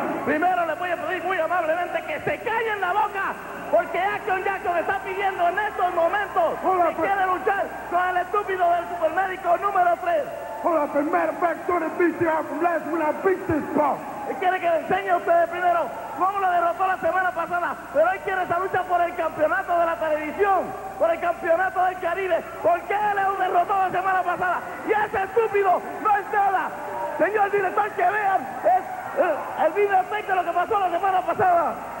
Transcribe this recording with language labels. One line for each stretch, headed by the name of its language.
Spanish: Primero les voy a pedir muy amablemente que se callen la boca, porque Action Jackson está pidiendo en estos momentos que quiere luchar con el estúpido del supermédico número 3.
English: Hold up, matter of fact, during the BTR from last week, I beat this punk.
Spanish: Él quiere que le enseñe a ustedes primero cómo lo derrotó la semana pasada, pero él quiere esa lucha por el campeonato de la televisión, por el campeonato del Caribe, porque él lo derrotó la semana pasada, y ese estúpido no es nada. Señor director, que vean el video efecto de lo que pasó la semana pasada.